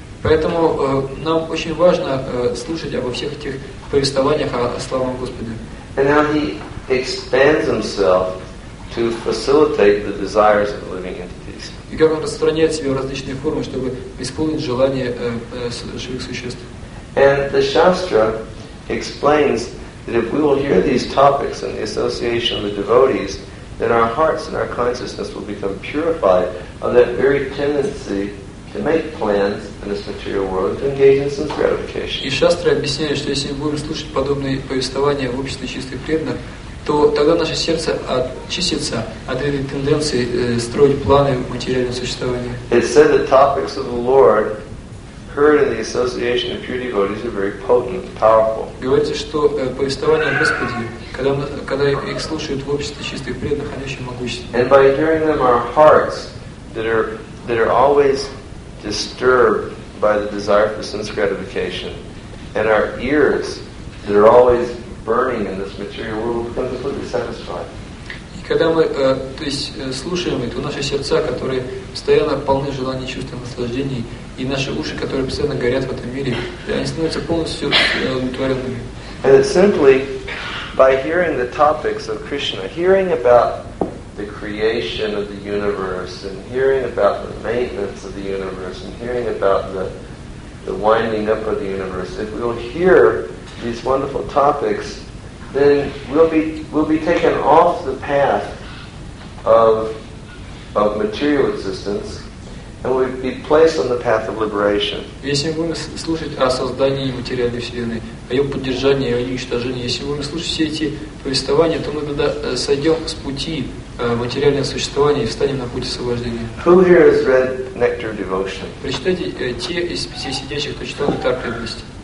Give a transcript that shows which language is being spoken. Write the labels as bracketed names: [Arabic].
[Russian] Поэтому нам очень важно слушать обо всех этих повествованиях о славном Господе. [English] And how He expands Himself to facilitate the desires of the living entities. [Russian] И как Он распространяет себя в различные формы, чтобы исполнить желания живых существ. [English] And the Shastra explains that if we will hear these topics in the association of the devotees, then our hearts and our consciousness will become purified of that very tendency to make plans in this material world to engage in some gratification. [Russian] И Шастра объясняет, что если мы будем слушать подобные повествования в обществе чистых преданных, то тогда наше сердце очистится от этой тенденции строить планы в материальном существовании. [English] It said the topics of the Lord heard in the association of pure devotees are very potent and powerful. [Russian] Говорится, что повествования о Господе, когда их слушают в обществе чистых преданных, они очень могущественны. [English] And by hearing them, our hearts that are always disturbed by the desire for sense gratification, and our ears that are always burning in this material world become completely satisfied. [Russian] И когда мы, то есть, слушаем это, наши сердца, которые постоянно полны желаний, чувств и наслаждений, и наши уши, которые постоянно горят в этом мире, они становятся полностью удовлетворенными. [English] And it's simply by hearing the topics of Krishna, hearing about the creation of the universe, and hearing about the maintenance of the universe, and hearing about the winding up of the universe, if we will hear these wonderful topics, then we'll be taken off the path of material existence, and we'll be placed on the path of liberation. [Russian] Если мы будем слушать о создании материальной вселенной, о ее поддержании, о ее уничтожении, если мы будем слушать все эти повествования, то мы тогда сойдем с пути материальное существование и встанем на путь освобождения. [English] Who here has read Nectar of Devotion? [Russian] Прочитайте те из пяти сидящих, кто читал Нектар преданности.